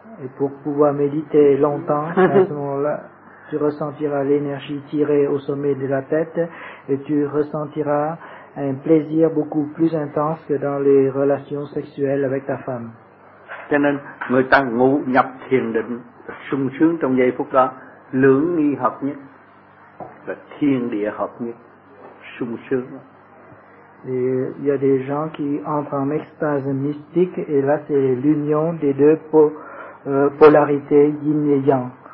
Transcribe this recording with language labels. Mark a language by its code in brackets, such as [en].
[fr] Et pour pouvoir méditer longtemps, à ce moment-là, tu ressentiras l'énergie tirée au sommet de la tête et tu ressentiras un plaisir beaucoup plus intense que dans les relations sexuelles avec ta femme. [vi] Cho nên người ta ngủ nhập thiền định sung sướng trong giây phút đó, lưỡng nghi hợp nhất là thiên địa hợp nhất sung sướng. [fr] Et il y a des gens qui entrent en extase mystique et là c'est l'union des deux polarités yin et yang.